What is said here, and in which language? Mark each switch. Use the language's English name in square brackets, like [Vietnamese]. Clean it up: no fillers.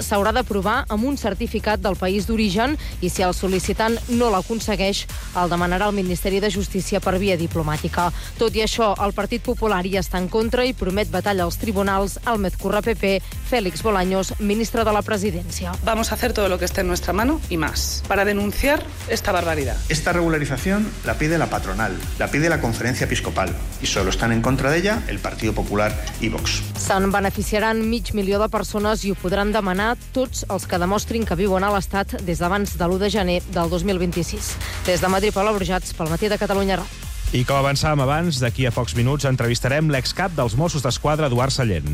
[Catalan] S'haurà d'aprovar amb un certificat del país d'origen i si el sol·licitant no l'aconsegueix, el demanarà el Ministeri de Justícia per via diplomàtica. Tot i això, el Partit Popular hi està en contra i promet batalla als tribunals. Almet Curra, PP, Félix Bolaños, ministre de la Presidència. [Spanish] Vamos a hacer todo lo que esté en nuestra mano y más para denunciar esta barbaridad. Esta regularización la pide la patronal, la pide la Conferència Episcopal y solo están en contra de ella el Partido Popular y Vox. [Catalan] Se'n beneficiaran 500.000 de persones i ho podran demanar tots els que demostrin que viuen a l'Estat des d'abans de l'1 de gener del 2026. Des de Madrid, Paula Brujats, pel Matí de Catalunya Ràdio. I com avançàvem abans, d'aquí a pocs minuts entrevistarem l'excap dels Mossos d'Esquadra, Eduard Sallent.